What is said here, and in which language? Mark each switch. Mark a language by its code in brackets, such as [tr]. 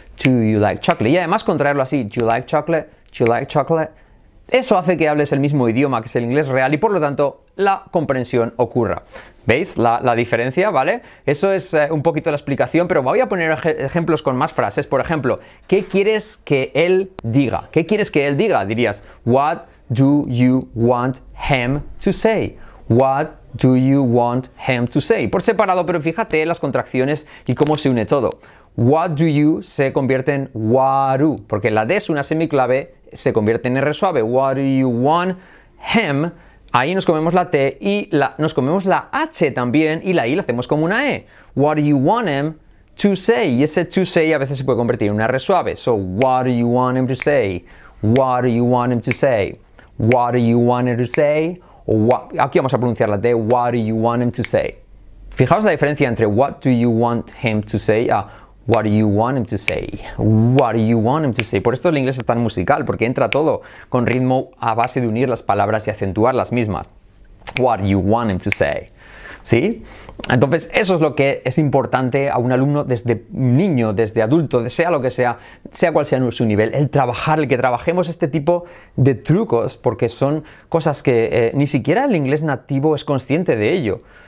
[en] Do you like chocolate? [es] Y además, contraerlo así, [en] do you like chocolate? Do you like chocolate? [es] Eso hace que hables el mismo idioma, que es el inglés real, y por lo tanto, la comprensión ocurra. ¿Veis la diferencia? ¿Vale? Eso es un poquito la explicación, pero voy a poner ejemplos con más frases. Por ejemplo, ¿qué quieres que él diga? ¿Qué quieres que él diga? Dirías, [en] what do you want him to say? What do you want him to say? [es] Por separado, pero fíjate las contracciones y cómo se une todo. [en] What do you [es] se convierte en waru, porque la D es una semiclave, se convierte en R suave. [en] What do you want him? [es] Ahí nos comemos la T y nos comemos la H también y la I la hacemos como una E. [en] What do you want him to say? [es] Y ese [en] to say [es] a veces se puede convertir en una R suave. [en] So, what do you want him to say? What do you want him to say? What do you want him to say? [es] Aquí vamos a pronunciar la T. [en] What do you want him to say? [es] Fijaos la diferencia entre [en] what do you want him to say [es] a what do you want him to say? [en] What do you want him to say? [es] Por esto el inglés es tan musical, porque entra todo con ritmo a base de unir las palabras y acentuar las mismas. [en] What do you want him to say? [es] ¿Sí? Entonces, eso es lo que es importante a un alumno desde niño, desde adulto, sea lo que sea, sea cual sea su nivel, el trabajar, el que trabajemos este tipo de trucos, porque son cosas que ni siquiera el inglés nativo es consciente de ello.